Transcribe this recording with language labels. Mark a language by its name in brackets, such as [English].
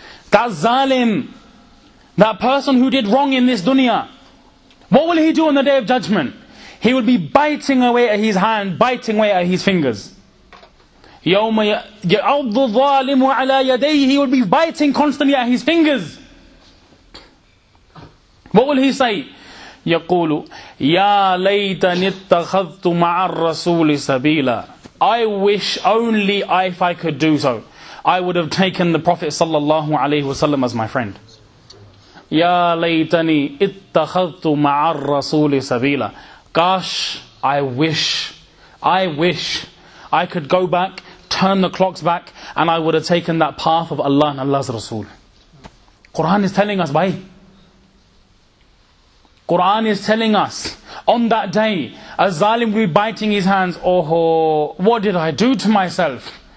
[English] That zalim, that person who did wrong in this dunya, what will he do on the day of judgment? He will be biting away at his hand, biting away at his fingers. [Arabic] يَوْمَ يَعَضُّ الظَّالِمُ عَلَىٰ يَدَيْهِ. [English] He will be biting constantly at his fingers. What will he say? [Arabic] يقول يا ليتني اتخذت مع الرسول سبيلا. [English] I wish only if I could do so, I would have taken the Prophet sallallahu alaihi wasallam as my friend. [Arabic] يا ليتني اتخذت مع الرسول سبيلا. [English] Gosh, I wish I could go back, turn the clocks back, and I would have taken that path of Allah and Allah's Rasul. Quran is telling us, bhai. Quran is telling us, on that day, a zalim will be biting his hands, oh, what did I do to myself?